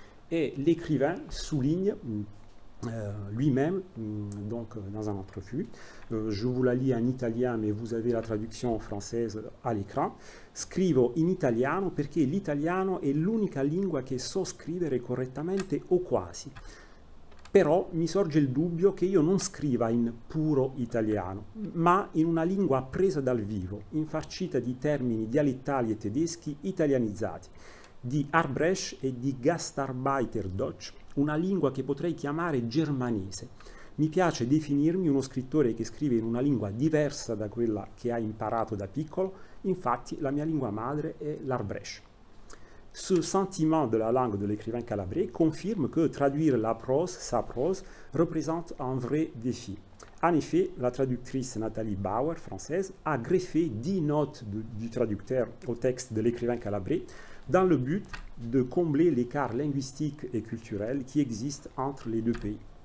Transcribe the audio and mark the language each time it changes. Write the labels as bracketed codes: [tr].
[fr] Et l'écrivain souligne lui-même, dans un entrefilet, je vous la lis en italien, mais vous avez la traduction française à l'écran. [it] Scrivo in italiano perché l'italiano è l'unica lingua che so scrivere correttamente o quasi. Però mi sorge il dubbio che io non scriva in puro italiano, ma in una lingua presa dal vivo, infarcita di termini dialettali e tedeschi italianizzati. Di Arbresh e di Gastarbeiterdeutsch, una lingua che potrei chiamare germanese. Mi piace definirmi uno scrittore che scrive in una lingua diversa da quella che ha imparato da piccolo, infatti la mia lingua madre è l'Arbresh. [fr] Ce sentiment de la langue de l'écrivain calabrais confirme que traduire la prose, sa prose, représente un vrai défi. En effet, la traductrice Nathalie Bauer, française, a greffé 10 notes du traducteur au texte de l'écrivain calabrais, dans le but de combler l'écart linguistique et culturel qui existe entre les deux pays.